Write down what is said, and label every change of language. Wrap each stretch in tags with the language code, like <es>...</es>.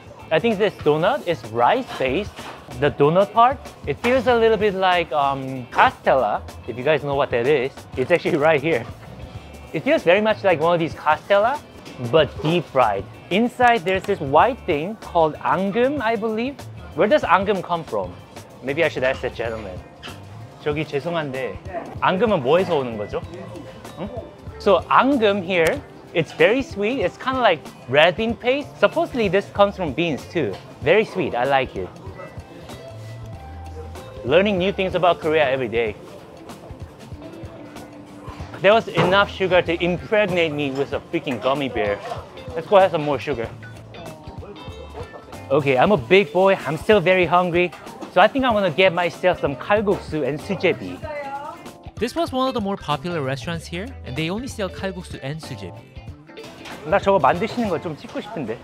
<en>I think this doughnut is rice-based. The doughnut part, it feels a little bit like castella. If you guys know what that is, it's actually right here. It feels very much like one of these castella, but deep fried. Inside, there's this white thing called angum, I believe. Where does angum come from? Maybe I should ask the gentleman.</en> <ko>저기 죄송한데, 앙금은 뭐에서 오는 거죠?</ko> <en>응? So angum here, it's very sweet. It's kind of like red bean paste. Supposedly, this comes from beans too. Very sweet, I like it. Learning new things about Korea every day. There was enough sugar to impregnate me with a freaking gummy bear. Let's go have some more sugar. Okay, I'm a big boy. I'm still very hungry. So I think I'm gonna get myself some kalguksoo and sujebi. This was one of the more popular restaurants here, and they only sell kalguksoo and sujebi.</en> <ko>나 저거 만드시는 거 좀 찍고 싶은데.</ko>